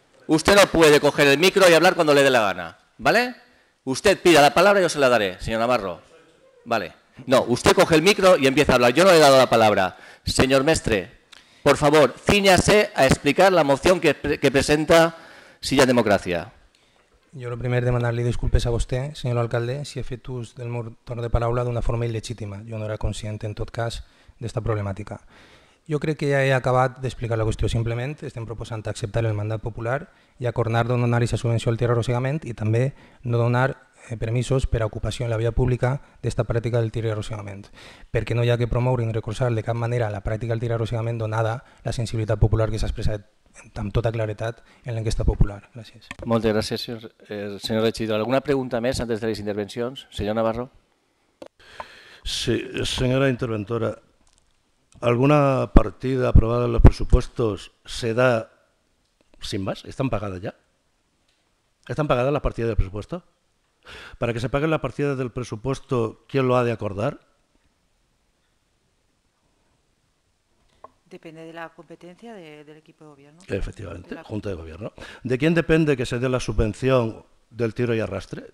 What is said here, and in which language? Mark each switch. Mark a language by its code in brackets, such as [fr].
[es] Usted no puede coger el micro y hablar cuando le dé la gana, ¿vale? Usted pida la palabra y yo se la daré, señor Navarro. Vale. No, usted coge el micro y empieza a hablar. Yo no le he dado la palabra. Señor Mestre, por favor, cíñase a explicar la moción que presenta Silla Democracia. Yo lo primero, demandarle disculpas a usted, señor alcalde, [ca] si he fet ús del meu torn de paraula d'una forma il·legítima. Jo no era conscient, en tot cas, d'esta problemàtica. Jo crec que ja he acabat d'explicar la qüestió. Simplement estem proposant acceptar el mandat popular i acordar de donar aquesta subvenció al tirarrossegament i també no donar permisos per a ocupació en la via pública d'esta pràctica del tirarrossegament, perquè no hi ha que promoure ni recolzar de cap manera la pràctica del tirarrossegament donada la sensibilitat popular que s'ha expressat amb tota claretat en l'enquesta popular. Gràcies. Moltes gràcies, senyor regidor. Alguna pregunta més antes de les intervencions? Senyor Navarro. Sí, senyora interventora, alguna partida aprovada en els pressupostos [es] se da sin más? ¿Están pagadas ya? ¿Están pagadas las partidas del presupuesto? Para que se paguen las partidas del presupuesto, ¿quién lo ha de acordar? Depende de la competencia del equipo de gobierno. Efectivamente, Junta de Gobierno. ¿De quién depende que se dé la subvención del tiro y arrastre?